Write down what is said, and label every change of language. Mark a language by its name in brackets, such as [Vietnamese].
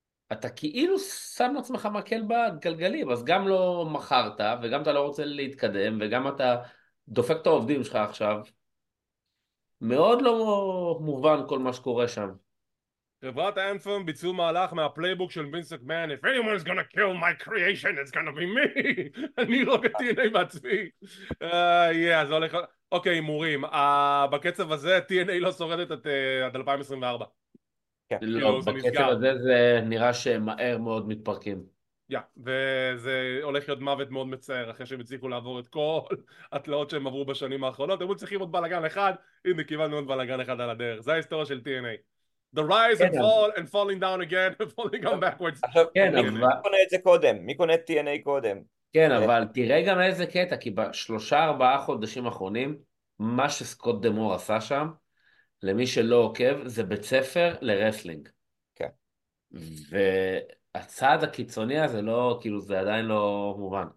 [Hebrew] ואתה כאילו שם עצמך מקל בגלגלים, אז גם לא מחרת וגם אתה לא רוצה להתקדם וגם אתה דופק את העובדים שלך עכשיו, מאוד לא מובן כל מה שקורה שם. חברת האנפם ביצעו מהלך מהפלייבוק של וינס מקמן, [English] If anyone is gonna kill my creation, it's gonna be me. [Hebrew] אני לא ב-TNA בעצמי. Yeah, זה הולך... אוקיי, מורים. בקצב הזה, TNA לא שורדת את 2024. לא, בקצב הזה זה נראה שמהר מאוד מתפרקים. Yeah, וזה הולך להיות מוות מאוד מצער, אחרי שהם הצליחו לעבור את כל התלאות שהם עברו בשנים האחרונות. הם צריכים עוד בלגן אחד, הנה, קיבלנו עוד בלגן אחד על הדרך. זה ההיסטוריה של TNA. [English] The rise and fall and falling down again and falling on backwards. [Hebrew] כן, אבל... מי קונה את זה קודם? מי קונה את TNA קודם? כן, אבל תראה גם איזה קטע, כי בשלושה, ארבעה חודשים האחרונים, מה שסקוט דמור עשה שם, למי שלא עוקב, זה בית ספר לרסלינג. כן. והצעד הקיצוני הזה לא, כאילו, זה עדיין לא מובן.